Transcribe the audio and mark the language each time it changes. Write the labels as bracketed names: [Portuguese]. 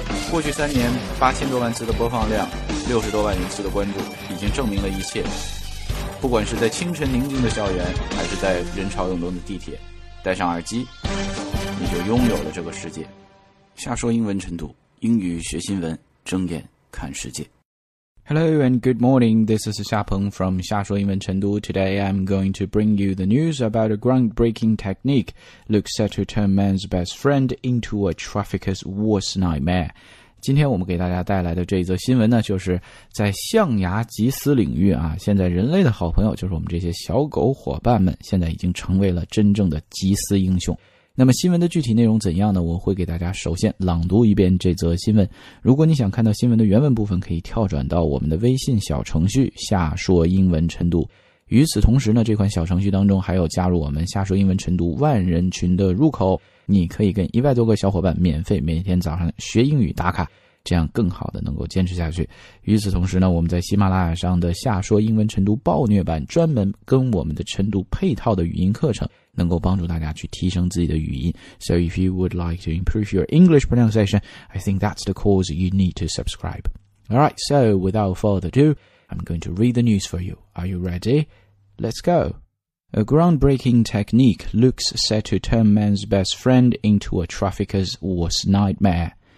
[Chinese] 过去三年，8000多万次的播放量，60多万人次的关注，已经证明了一切。不管是在清晨宁静的校园，还是在人潮涌动的地铁，戴上耳机，你就拥有了这个世界。下说英文晨读，英语学新闻，睁眼看世界。 [English] Hello and good morning, this is Xia Peng from 瞎说英文晨读. Today I'm going to bring you the news about a groundbreaking technique looks set to turn man's best friend into a trafficker's worst nightmare. [Chinese] 今天我们给大家带来的这一则新闻呢，就是在象牙缉私领域啊，现在人类的好朋友就是我们这些小狗伙伴们，现在已经成为了真正的缉私英雄。那么新闻的具体内容怎样呢？我会给大家首先朗读一遍这则新闻。如果你想看到新闻的原文部分，可以跳转到我们的微信小程序下说英文晨读。与此同时呢，这款小程序当中还有加入我们下说英文晨读万人群的入口，你可以跟100多个小伙伴免费每天早上学英语打卡，这样更好的能够坚持下去。与此同时呢，我们在喜马拉雅上的下说英文晨读暴虐版，专门跟我们的晨读配套的语音课程，能够帮助大家去提升自己的语音。 [English] So if you would like to improve your English pronunciation, I think that's the cause you need to subscribe. Alright, so without further ado, I'm going to read the news for you. Are you ready? Let's go. A groundbreaking technique looks set to turn man's best friend into a trafficker's worst nightmare.